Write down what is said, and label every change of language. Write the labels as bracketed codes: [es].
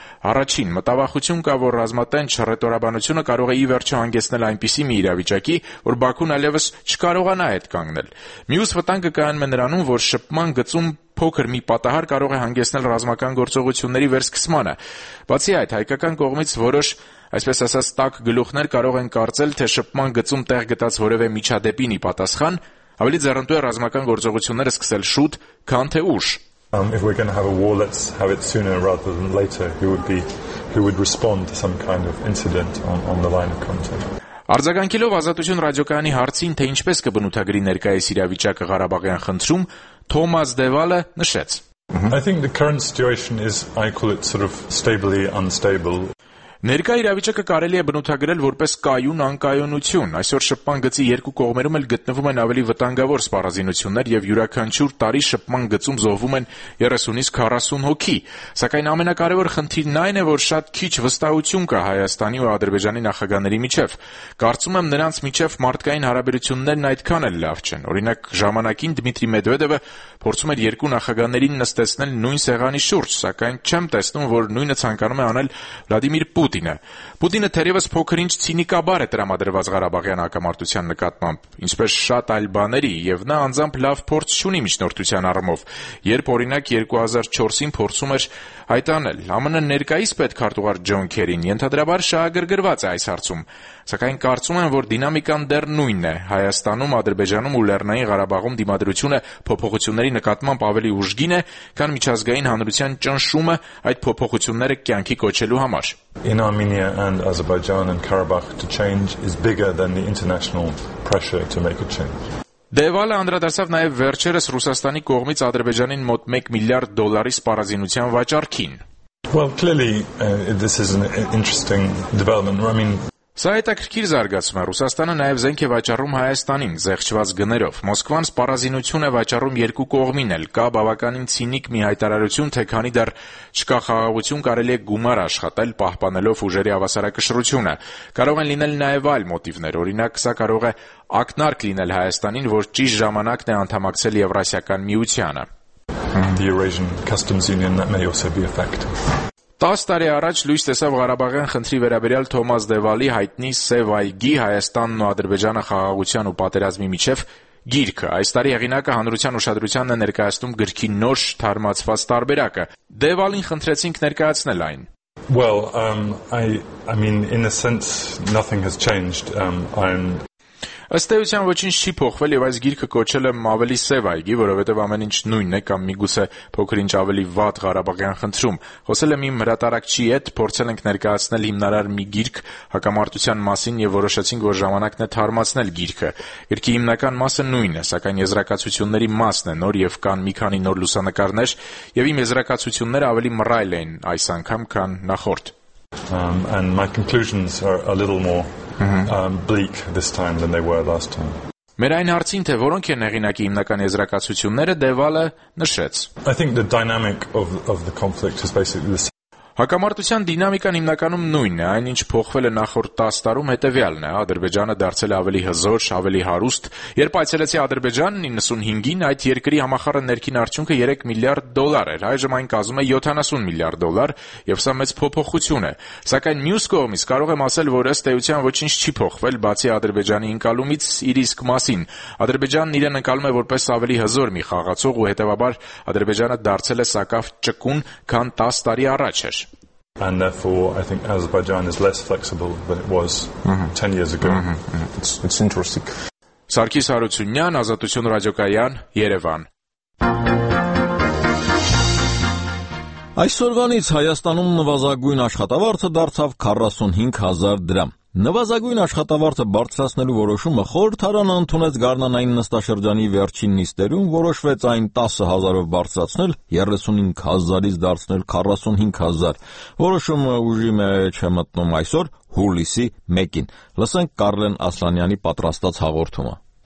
[hy] Առաջին, մտավախություն կա, որ ռազմատենչ ռետորաբանությունը կարող է ի վերջո հանգեցնել այնպիսի մի իրավիճակի, որ Բաքուն այլևս չկարողանա հետ կանգնել։ Մյուս վտանգը կայանում է նրանում, որ շփման գծում փոքր մի պատահար կարող է հանգեցնել ռազմական գործողությունների վերսկսմանը։ Բացի այդ, հայկական կողմից որոշ, այսպես ասած, տակ գլուխներ կարող են կարծել, թե շփման գծում տեղ գտած որևէ միջադեպին ի պատասխան, ավելի ձեռնտու է ռազմական գործողությունները սկսել շուտ, քան թե ուշ։ [en] If we're going to have a war, let's have it sooner rather than later. Who would respond to some kind of incident on the line of contact? [hy] Արձագանքելով Ազատություն ռադիոկայանի հարցին, թե ինչպես կբնութագրի ներկայիս իրավիճակը Ղարաբաղյան խնդրում, Թոմաս Դևալը նշեց. [en] I think the current situation is, I call it sort of stably unstable. [hy] Ներկայ իրավիճակը կարելի է բնութագրել որպես կայուն անկայունություն։ Այսօր շփման գծի երկու կողմերում էլ գտնվում են ավելի վտանգավոր սպառազինություններ, եւ յուրաքանչյուր տարի շփման գծում զոհվում են 30-ից 40 հոգի։ Սակայն ամենակարևոր խնդիրն այն է, որ շատ քիչ վստահություն կա Հայաստանի ու Ադրբեջանի նախագաների միջև։ Կարծում եմ, նրանց միջև մարդկային հարաբերություններն այդքան էլ լավ չեն։ Օրինակ, ժամանակին Դմիտրի Մեդվեդևը փորձում էր երկու նախագաներին նստեցնել նույն սեղանի շուրջ, սակայն չեմ տեսնում, որ նույնը ցանկանում է անել Վլադիմիր Պուտինը։ Պուտինը թերևս փոքրինչ ցինիկաբար է տրամադրված Ղարաբաղյան հակամարտության նկատմամբ, ինչպես շատ այլ բաների, և նա անձամբ լավ փորձ չունի միջնորդության առումով, երբ օրինակ 2004-ին փորձում էր հայտանել ԱՄՆ ներկայիս պետքարտուղար Ջոն Քերին, ենթադրաբար շահագրգռված է այս հարցում, սակայն կարծում եմ, որ դինամիկան դեռ նույնն է՝ Հայաստանում, Ադրբեջանում ու Լեռնային Ղարաբաղում դիմադրությունը փոփոխությունների նկատմամբ ավելի ուժգին է, քան միջազգային հանրության ճնշումը այդ փոփոխությունները կյանքի կոչելու համար։ [en] In Armenia and Azerbaijan and Karabakh to change is bigger than the international pressure to make a change. [hy] Դևալը անդրադարձավ նաև վերջերս Ռուսաստանի կողմից Ադրբեջանին մոտ 1 միլիարդ դոլարի սպառազինության վաճառքին։ [en] Well, clearly this is an interesting development. I mean, [hy] Սա հետաքրքիր զարգացում է, Ռուսաստանը նաև զենք է վաճառում Հայաստանին զեղչված գներով։ Մոսկվան սպառազինություն է վաճառում երկու կողմին էլ։ Կա բավականին ցինիկ մի հայտարարություն, թե քանի դեռ չկա խաղաղություն, կարելի է գումար աշխատել պահպանելով ուժերի հավասարակշռությունը։ Կարող են լինել նաև այլ մոտիվներ, օրինակ սա կարող է ակնարկ լինել Հայաստանին, որ ճիշտ ժամանակն է անդամակցել Եվրասիական միությանը։ [en] The Eurasian Customs Union, that may also be a factor. [hy] 10 տարի առաջ լույս տեսավ Ղարաբաղյան խնդրի վերաբերյալ Թոմաս Դևալի հայտնի «Սև այգի» Հայաստանն ու Ադրբեջանը խաղաղության ու պատերազմի միջև գիրքը։ Այս տարի հեղինակը հանրության ուշադրությանն է ներկայացնում գրքի նոր թարմացված տարբերակը։ Դևալին խնդրեցինք ներկայացնել այն։ [en] Well, I mean in a sense nothing has changed. [hy] Ըստ էության ոչինչ չի փոխվել եւ այս գիրքը կոչել եմ ավելի «Սև այգի», որովհետեւ ամեն ինչ նույնն է կամ միգուցե փոքրինչ ավելի վատ Ղարաբաղյան խնդրում։ Խոսել եմ իմ հրատարակչի հետ, փորձել ենք ներկայացնել հիմնարար մի գիրք հակամարտության մասին եւ որոշեցինք, որ ժամանակն է թարմացնել գիրքը։ Գիրքի հիմնական մասը նույնն է, սակայն եզրակացությունների մասն է նոր եւ կան մի քանի նոր լուսանկարներ եւ իմ եզրակացությունները ավելի մռայլ են այս անգամ, քան նախորդ։ [en] And my conclusions are a little more bleak this time than they were last time. [hy] Մեր այն հարցին, թե որոնք են հեղինակի հիմնական եզրակացությունները, Դևալը նշեց. [en] I think the dynamic of the conflict is basically the same. [hy] Հակամարտության դինամիկան հիմնականում նույնն է, այնինչ փոխվել է նախորդ 10 տարում հետևյալն է. Ադրբեջանը դարձել է ավելի հզոր, ավելի հարուստ։ Երբ այցելեցի Ադրբեջան 95-ին, այդ երկրի համախառը ներքին արդյունքը 3 միլիարդ դոլար էր, այժմ այն կազմում է 70 միլիարդ դոլար, եւ սա մեծ փոփոխություն է։ Սակայն մյուս կողմից կարող եմ ասել, որ ըստ էության ոչինչ չի փոխվել, բացի Ադրբեջանի ընկալումից իր իսկ մասին։ Ադրբեջանն իրեն ընկալում է որպես ավելի հզոր մի խաղացող, ու հետեւաբար Ադրբեջանը դարձել է սակավ ճկուն, քան 10 տարի առաջ։ [en] And therefore, I think Azerbaijan is less flexible than it was 10 years ago. It's interesting. [hy] Սարգիս Հարությունյան, Ազատություն Ռադիոկայան, Երևան. Այսօրվանից Հայաստանում նվազագույն աշխատավարձը դարձավ 45,000 դրամ։ Նվազագույն աշխատավարձը բարձրացնելու որոշումը խորհրդարան ընդունեց գարնանային նստաշրջանի վերջին նիստերում, որոշվեց այն 10,000-ով բարձրացնել, 35,000-ից դարձնել 45,000։ Որոշումը ուժի մեջ է մտնում այսօր, հուլիսի 1-ին։ Լսենք Կարլեն Ասլանյանի պատրաստած հաղորդումը։